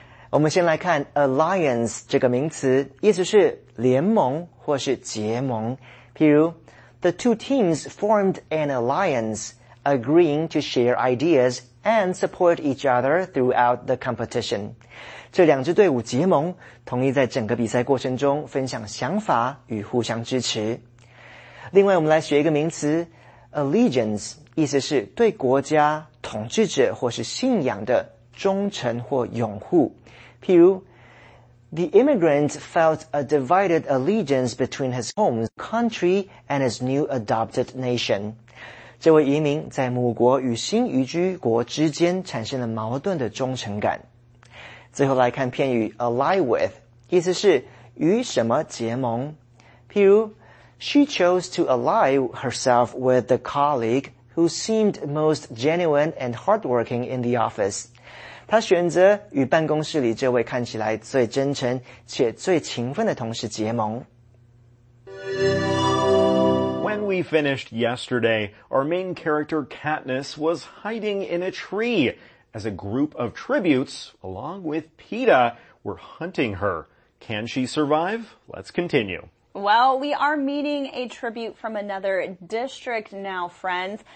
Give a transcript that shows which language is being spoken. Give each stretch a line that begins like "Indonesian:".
Chinese: 我们先来看 alliance 这个名词，意思是联盟或是结盟。譬如
English: ，The two teams formed an alliance. Agreeing to share ideas and support each other throughout the competition.
Chinese: 这两支队伍结盟，同意在整个比赛过程中分享想法与互相支持。另外我们来学一个名词 ,allegiance, 意思是对国家、统治者或是信仰的忠诚或拥护。譬如
English: ,The immigrant felt a divided allegiance between his home country and his new adopted nation.
Chinese: 这位移民在母国与新移居国之间产生了矛盾的忠诚感。最后来看片语 ally with, 意思是与什么结盟。譬如
English: ,she chose to ally herself with the colleague who seemed most genuine and hardworking in the office.
Chinese: 她选择与办公室里这位看起来最真诚且最勤奋的同事结盟。
English: When we finished yesterday, our main character Katniss was hiding in a tree as a group of tributes, along with Peeta, were hunting her. Can she survive? Let's continue. Well, we are meeting a tribute from another district now, friends.